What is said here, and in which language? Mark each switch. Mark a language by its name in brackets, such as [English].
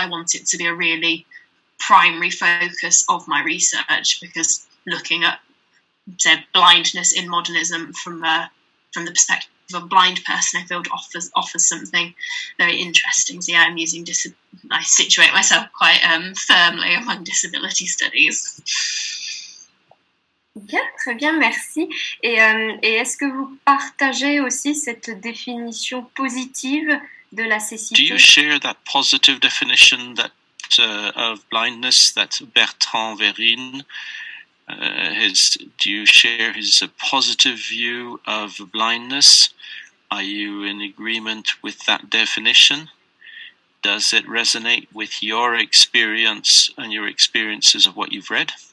[English] I want it to be a really primary focus of my research, because looking at, say, blindness in modernism from the perspective of a blind person, I feel it offers something very interesting. So yeah, I'm using I situate myself quite firmly among disability studies. [French] Bien, très bien, merci. Et est-ce que vous partagez aussi cette définition positive de la cécité? [English] Do you share that positive definition that of blindness that Bertrand Vérine has? Do you share his positive view of blindness? Are you in agreement with that definition? Does it resonate with your experience and your experiences of what you've read?